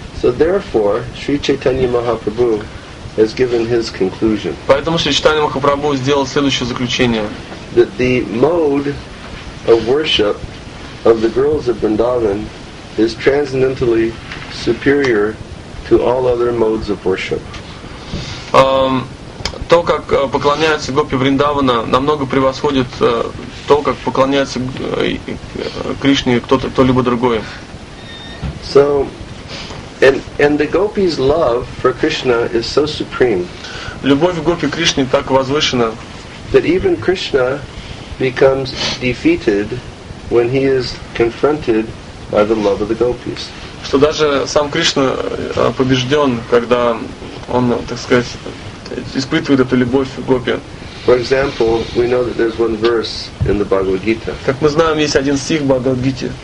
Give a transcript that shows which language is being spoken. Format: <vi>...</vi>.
<en>So therefore, Sri Chaitanya Mahaprabhu has given his conclusion.</en> <ru>Поэтому Шри Чайтанья Махапрабху сделал следующее заключение.</ru> <en>That the mode of worship of the girls of Vrindavan is transcendentally superior to all other modes of worship.</en> <ru>То, как поклоняются гопи Вриндавана, намного превосходит то, как поклоняется Кришне кто-либо другой.</ru> <en>So, and the gopis' love for Krishna is so supreme.</en> <ru>Любовь гопи Кришне так возвышена,</ru> <en>that even Krishna becomes defeated when he is confronted by the love of the gopis.</en> <ru>Что даже сам Кришна побежден, когда он, так сказать, испытывает эту любовь к гопи.</ru> <en>For example, we know that there's one verse in the Bhagavad Gita.</en> <ru>Как мы знаем, есть один стих в Бхагавад Гите.</ru>